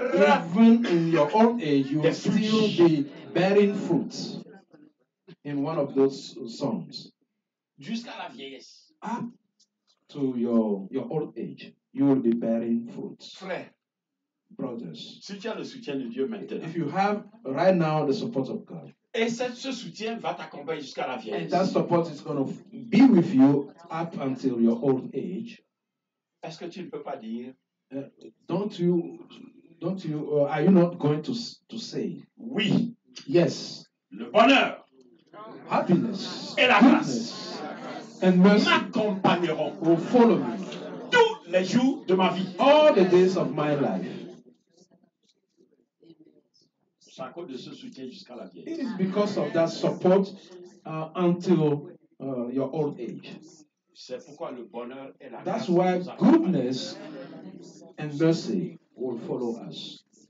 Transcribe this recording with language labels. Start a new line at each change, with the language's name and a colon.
English: Even in your old age, you will still be bearing fruit. In one of those songs.
French: Jusqu'à la vieillesse.
English: To your old age, you will be bearing fruit.
French: Frère,
English: brothers,
French: si tu as le soutien de Dieu maintenant,
English: if you have right now the support of God,
French: et ce soutien va t'accompagner jusqu'à la vieillesse,
English: and that support is going to be with you up until your old age,
French: est-ce que tu ne peux pas dire,
English: are you not going to say,
French: oui,
English: yes,
French: le bonheur,
English: happiness,
French: et la grâce,
English: and mercy
French: m'accompagneront
English: will follow me
French: tous les jours de ma vie.
English: All the days of my life.
French: C'est à cause de ce soutien jusqu'à la vieille.
English: It is because of that support until your old age.
French: C'est pourquoi le bonheur et la
English: That's why goodness and mercy will follow us.